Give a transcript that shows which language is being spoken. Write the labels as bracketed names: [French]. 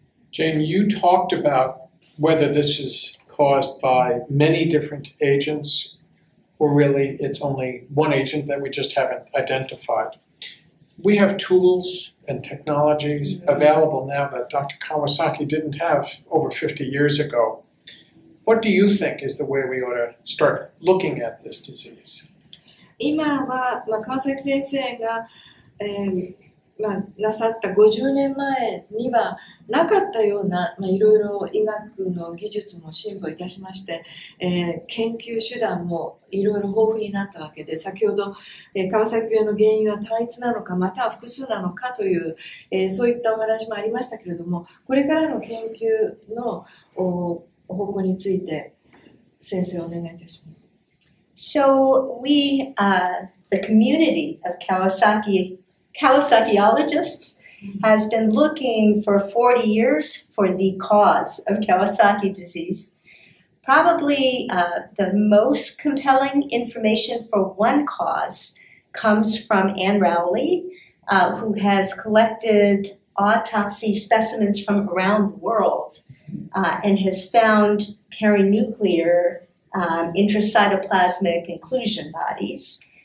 [English] Jane, you talked about whether this is caused by many different agents, or really it's only one agent that we just haven't identified. We have tools and technologies available now that Dr. Kawasaki didn't have over 50 years ago. What do you think is the way we ought to start looking at this disease? [Japanese] 今は、まあ、川崎先生が、まあ、なさった50年前にはなかったような、まあ、いろいろ医学の技術も進歩いたしまして、研究手段もいろいろ豊富になったわけで、先ほど、川崎病の原因は単一なのかまたは複数なのかという、そういったお話もありましたけれども、これからの研究の方向について先生お願いいたします。 [English] So we the community of Kawasakiologists has been looking for 40 years for the cause of Kawasaki disease. Probably the most compelling information for one cause comes from Ann Rowley, who has collected autopsy specimens from around the world and has found perinuclear intracytoplasmic inclusion bodies.